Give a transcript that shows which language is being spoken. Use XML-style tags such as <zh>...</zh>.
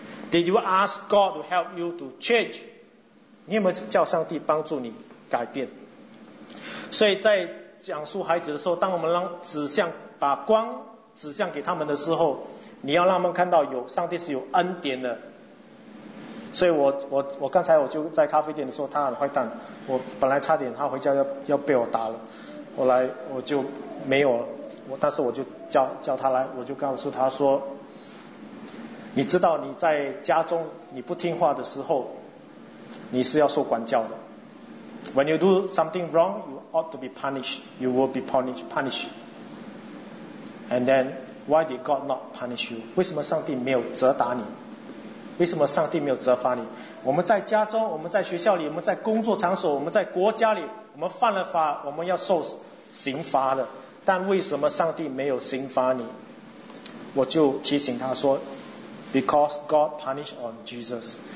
<en>Did you ask God to help you to change？</en> <zh>你有没有叫上帝帮助你改变？所以在讲述孩子的时候，当我们让指向把光指向给他们的时候，你要让他们看到有上帝是有恩典的。所以我刚才我就在咖啡店的时候，他很坏蛋，我本来差点他回家要被我打了，后来我就没有了，但是我就叫他来，我就告诉他说，你知道你在家中你不听话的时候，你是要受管教的。</zh> <en>When you do something wrong, you ought to be punished. You will be punished. And then, why did God not punish you?</en> <zh>为什么上帝没有责打你？为什么上帝没有责罚你？我们在家中，我们在学校里，我们在工作场所，我们在国家里，我们犯了法，我们要受刑罚的。但为什么上帝没有刑罚你？我就提醒他说</zh> <en>，Because God punished on Jesus.</en>